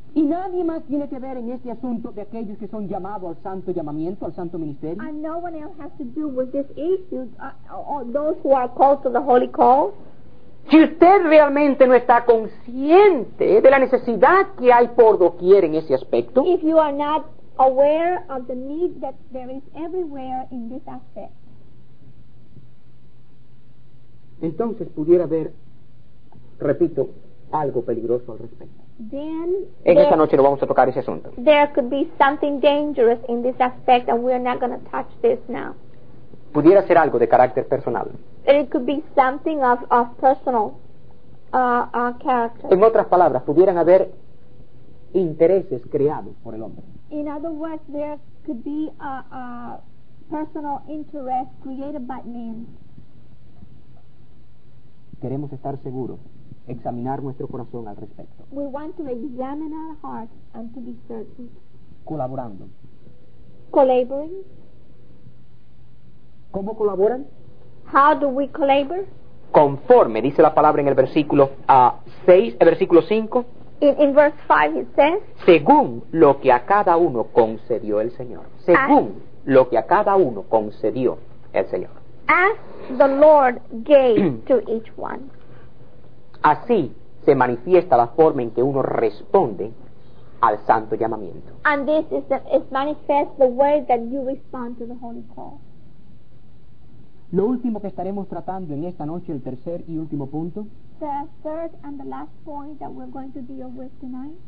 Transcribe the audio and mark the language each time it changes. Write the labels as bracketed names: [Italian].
[Spanish] Y nadie más tiene que ver en este asunto de aquellos que son llamados al santo llamamiento, al santo ministerio. [English] And no one else has to do with this issue, or those who are called to the holy call. [Spanish] Si usted realmente no está consciente de la necesidad que hay por doquier en ese aspecto, [English] if you are not aware of the need that there is everywhere in this aspect. [Spanish] Entonces pudiera haber, repito, algo peligroso al respecto. [English] Then, [Spanish] en esta noche no vamos a tocar ese asunto. [English] There could be something dangerous in this aspect, and we're not going to touch this now. [Spanish] Pudiera ser algo de carácter personal. [English] It could be something of personal character. [Spanish] En otras palabras, pudieran haber intereses creados por el hombre. [English] In other words, there could be a personal interest created by man. [Spanish] Queremos estar seguros, examinar nuestro corazón al respecto. [English] We want to examine our heart and to be certain. [Spanish] Colaborando. [English] Collaborating. [Spanish] ¿Cómo colaboran? [English] How do we collabor? [Spanish] Conforme, dice la palabra en el versículo 6, el versículo 5. [English] In verse 5 it says, [Spanish] según lo que a cada uno concedió el Señor. Según [English] as, [Spanish] lo que a cada uno concedió el Señor. [English] As the Lord gave to each one. [Spanish] Así se manifiesta la forma en que uno responde al santo llamamiento. [English] And this is the, it manifests the way that you respond to the holy call. [Spanish] Lo último que estaremos tratando en esta noche, el tercer y último punto, [English] the third and the last point that we're going to deal with tonight,